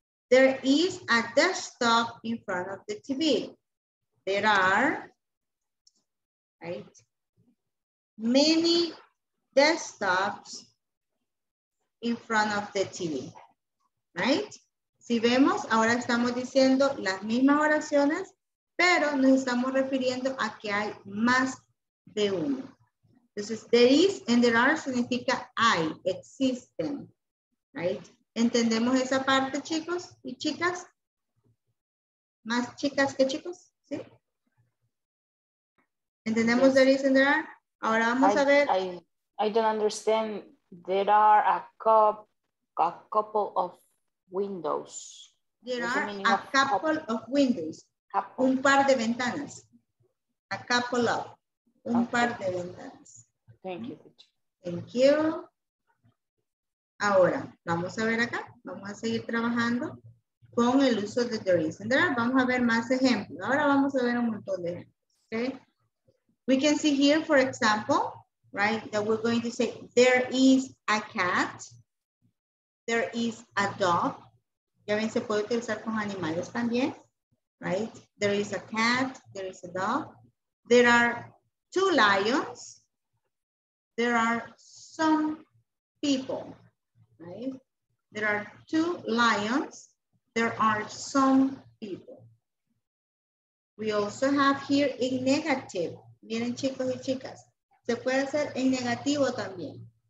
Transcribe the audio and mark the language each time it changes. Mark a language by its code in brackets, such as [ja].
[en] There is a desktop in front of the TV. There are, right, many desktops in front of the TV, right? [es] Si vemos, ahora estamos diciendo las mismas oraciones, pero nos estamos refiriendo a que hay más de uno. Entonces, there is and there are significa hay, existen, right? ¿Entendemos esa parte, chicos y chicas? ¿Más chicas que chicos? ¿Sí? ¿Entendemos there is and there are? Ahora vamos a ver. [en] I don't understand. There are a couple of windows. There are a couple of windows. [es] Un par de ventanas. [en] A couple of. [es] Un par de ventanas. [en] Thank you. Thank you. [es] Ahora, vamos a ver acá. Vamos a seguir trabajando con el uso de there is and there are. Vamos a ver más ejemplos. Ahora vamos a ver un montón de ejemplos. Okay? [en] We can see here, for example, right, that we're going to say there is a cat, there is a dog. [es] Ya ven, se puede utilizar con animales también, right? [en] There is a cat, there is a dog. There are two lions, there are some people, right? There are two lions, there are some people. We also have here a negative. [es] Miren, chicos y chicas, se puede hacer en negativo también.